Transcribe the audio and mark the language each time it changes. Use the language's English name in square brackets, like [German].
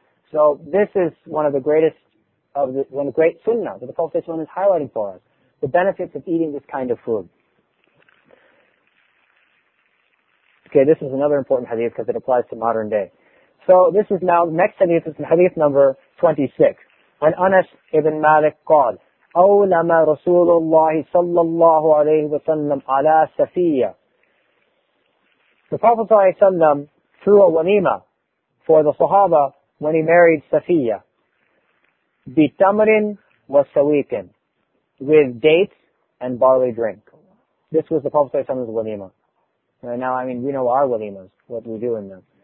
[English] So this is one of the great sunnah that the Prophet is highlighting for us, the benefits of eating this kind of food. Okay, this is another important hadith because it applies to modern day. So this is now, next hadith is hadith number 26. When Anas ibn Malik qad, [Arabic] أولما رسول الله صلى الله عليه وسلم على سفية. [English] The Prophet ﷺ threw a wanima for the Sahaba when he married Safiya. [Arabic] بِتَمْرٍ وَسَوِيكٍ, [English] with dates and barley drink. This was the Prophet's walima. Now, I mean, we know our walimas, what we do in them.